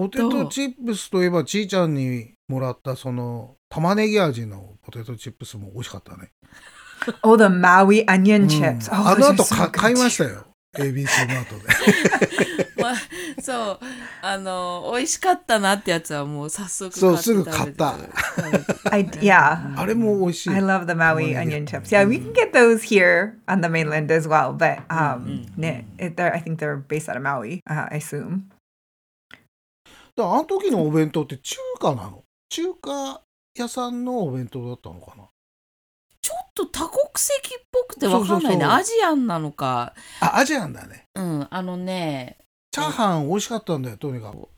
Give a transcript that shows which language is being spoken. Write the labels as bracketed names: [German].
[Japanese] ポテトチップスといえば、ちいちゃんにもらったその玉ねぎ味のポテトチップスも美味しかったね。 [English] Oh, the Maui onion chips.、 [Japanese] うん、oh, あの後、so、買いましたよ。ABC の後で。まあ、そう、あの、美味しかったなってやつはもう早速買って。そう、すぐ買った。 [English] I, yeah. [Japanese] あれも美味しい。 [English] I love the Maui onion chips. Yeah, we can get those here on the mainland as well. But, ね、I think they're based out of Maui, I assume. [Japanese] だあの時のお弁当って中華なの？中華屋さんのお弁当だったのかな？ちょっと多国籍っぽくてわかんないね。そうそうそう、アジアンなのか。あ、アジアンだね。うん、あのね、チャーハン美味しかったんだよ、とにかく。